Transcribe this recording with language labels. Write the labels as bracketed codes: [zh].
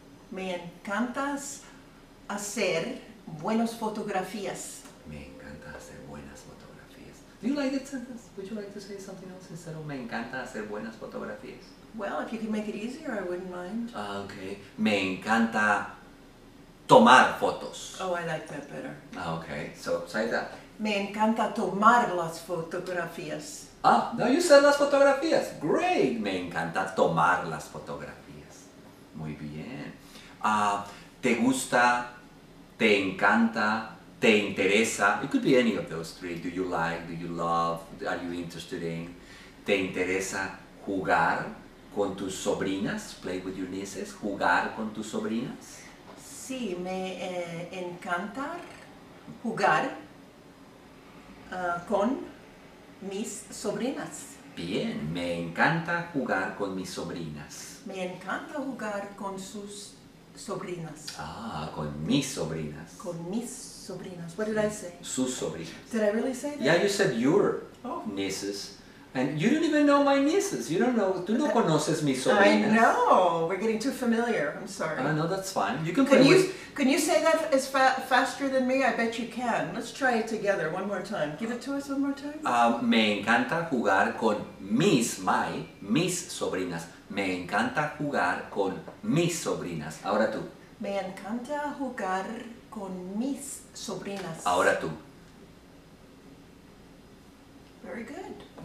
[es] Me encanta hacer buenas fotografías. Me encanta hacer buenas fotografías. [en] Do you like that sentence? Would you like to say something else instead of [es] me encanta hacer buenas fotografías? [en] Well, if you can make it easier, I wouldn't mind. [es] Okay. Me encanta tomar fotos. [en] Oh, I like that better. Okay, so say that. [es] Me encanta tomar las fotografías. [en] Ah, now you said [es] las fotografías. [en] Great! [es] Me encanta tomar las fotografías. Muy bien. Te gusta, te encanta, te interesa. [en] It could be any of those three. Do you like, do you love, are you interested in? [es] Te interesa jugar con tus sobrinas, [en] play with your nieces, [es] jugar con tus sobrinas. Sí, me encanta jugar con mis sobrinas. Bien, me encanta jugar con mis sobrinas. Me encanta jugar con sus sobrinas. Ah, con mis sobrinas. Con mis sobrinas. [en] What did I say? [es] Sus sobrinas. [en] Did I really say that? Yeah, you said your nieces. And you don't even know my nieces. You don't know. [es] Tú no conoces mis sobrinas. [en] I know. We're getting too familiar. I'm sorry. No, that's fine. You can play with... Can you say that as faster than me? I bet you can. Let's try it together one more time. Give it to us one more time. [es] Me encanta jugar con mis sobrinas. Me encanta jugar con mis sobrinas. Ahora tú. Me encanta jugar con mis sobrinas. Ahora tú. [en] Very good.